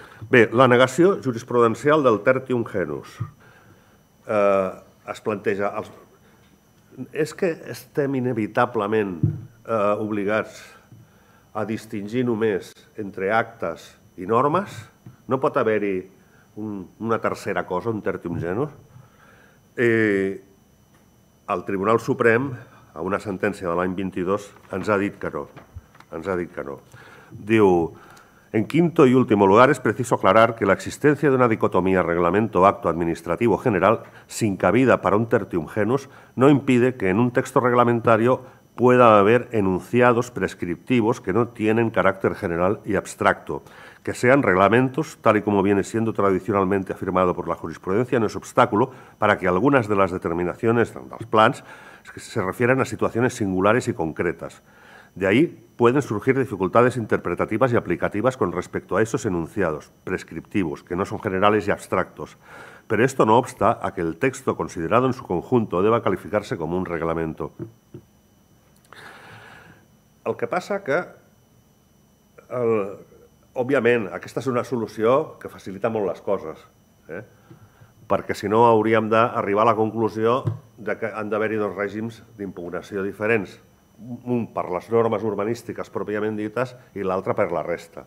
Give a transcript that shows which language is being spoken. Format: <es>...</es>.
<ca>Bé, la negació jurisprudencial del tertium genus. Es planteja, és que estem inevitablement obligats a distingir només entre actes i normes? No pot haver-hi una tercera cosa, un tertium genus? El Tribunal Suprem, a una sentència de l'any 22, ens ha dit que no.</ca> <es>Diu: en quinto y último lugar, es preciso aclarar que la existencia de una dicotomía reglamento-acto administrativo general sin cabida para un tertium genus no impide que en un texto reglamentario pueda haber enunciados prescriptivos que no tienen carácter general y abstracto. Que sean reglamentos, tal y como viene siendo tradicionalmente afirmado por la jurisprudencia, no es obstáculo para que algunas de las determinaciones de los plans se refieran a situaciones singulares y concretas. De ahí pueden surgir dificultades interpretativas y aplicativas con respecto a esos enunciados prescriptivos, que no son generales y abstractos. Pero esto no obsta a que el texto considerado en su conjunto deba calificarse como un reglamento.</es> <ca>El que passa que, òbviament, aquesta és una solució que facilita molt les coses, perquè si no hauríem d'arribar a la conclusió que han d'haver-hi dos règims d'impugnació diferents, un per les normes urbanístiques pròpiament dites i l'altre per la resta.</ca>